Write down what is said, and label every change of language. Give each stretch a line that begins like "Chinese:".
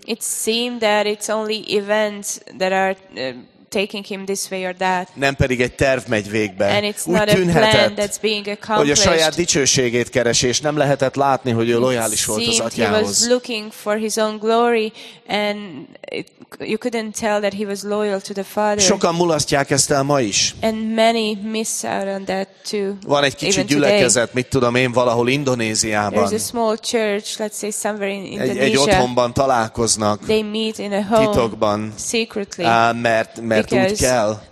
English: It seemed that it's only events that are taking him this way or that.
Hungarian: Nem pedig egy terv megy végbe.
English: And it's not a plan that's being accomplished.
Hungarian: Hogy a saját dicsőségét keresi, és nem lehetett látni, hogy ő lojális volt az atyához.
English: He was looking for his own glory and you couldn't tell that he was loyal to the father.
Hungarian: Sokan mulasztják ezt el ma is.
English: And many miss out on that too.
Hungarian: Van egy kicsi gyülekezet, mit tudom én, valahol Indonéziában.
English: There's a small church, let's say somewhere in Indonesia.
Hungarian: Egy otthonban találkoznak.
English: They meet in a home.
Hungarian: Titokban.
English: Secretly.
Hungarian: Mert úgy kell.